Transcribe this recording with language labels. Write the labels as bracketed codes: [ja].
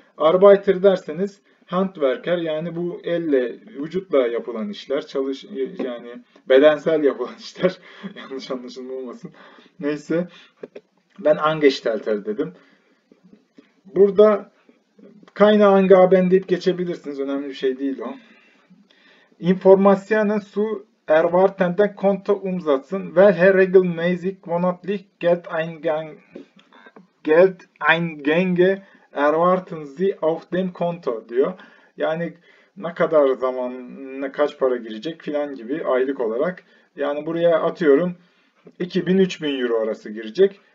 [tr] Arbeiter derseniz Handwerker, yani bu elle, vücutla yapılan işler, yani bedensel yapılan işler. Yanlış anlaşılma olmasın. Neyse. Ben Angestellter dedim. Burada Keine Angaben deyip geçebilirsiniz. Önemli bir şey değil o. [de] Informationen zu erwartenden Kontoumsätzen, welche regelmäßig monatlich Geldeingänge erwarten Sie auf dem Konto diyor. [tr] Yani ne kadar zaman, ne kaç para girecek filan gibi aylık olarak. Yani buraya atıyorum 2000-3000 euro arası girecek.